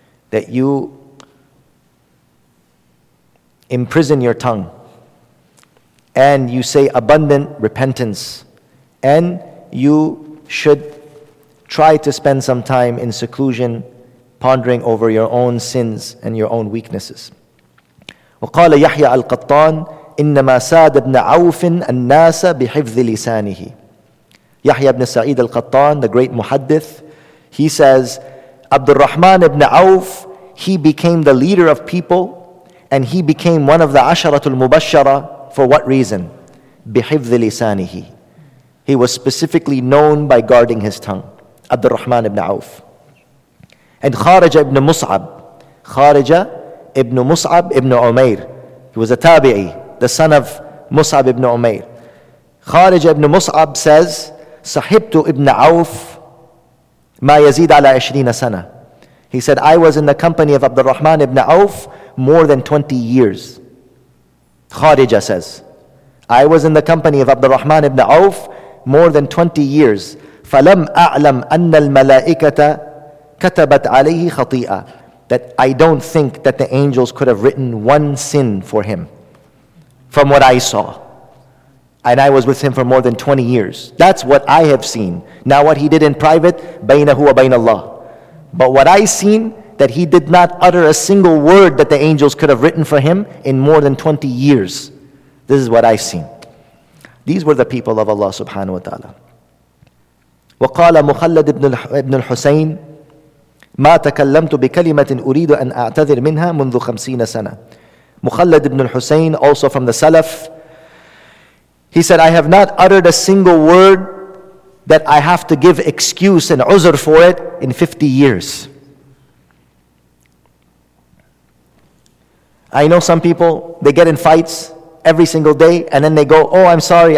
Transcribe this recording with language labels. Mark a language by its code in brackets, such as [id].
[en] That you imprison your tongue and you say abundant repentance and you should try to spend some time in seclusion pondering over your own sins and your own weaknesses. [ar] وقال يحيى القطان إنما ساد ابن عوف الناس بحفظ لسانه. [en] يحيى بن سعيد القطان, the great muhaddith, he says, عبد الرحمن ابن عوف, he became the leader of people and he became one of the Asharatul Mubashara. For what reason? [ar] بِحِفْذِ لِسَانِهِ. [en] He was specifically known by guarding his tongue. [ar] عبد الرحمن ابن عوف. And خارجة ابن مصعب ابن عمير. [en] He was a tabi'i, the son of Mus'ab ibn Umair. [ar] خارجة ابن مصعب says, صحبت ابن عوف ما يزيد على 20 سنة. [en] He said, I was in the company of Abdurrahman ibn Auf more than 20 years. Kharija says, I was in the company of Abdurrahman ibn Auf more than 20 years. [ar] فَلَمْ أَعْلَمْ أَنَّ الْمَلَائِكَةَ كَتَبَتْ عَلَيْهِ خَطِيئًا. [en] That I don't think that the angels could have written one sin for him from what I saw. And I was with him for more than 20 years. That's what I have seen. Now what he did in private, [ar] بَيْنَهُ وَبَيْنَ اللَّهِ. [en] But what I seen, that he did not utter a single word that the angels could have written for him in more than 20 years. This is what I seen. These were the people of Allah subhanahu wa ta'ala. [ar] وقال مخلد ابن الحسين ما تكلمت بكلمة أريد أن أعتذر منها منذ 50 سنة. [en] مخلد ابن الحسين, also from the Salaf, he said, I have not uttered a single word that I have to give excuse and uzr for it in 50 years. I know some people, they get in fights every single day, and then they go, oh, I'm sorry.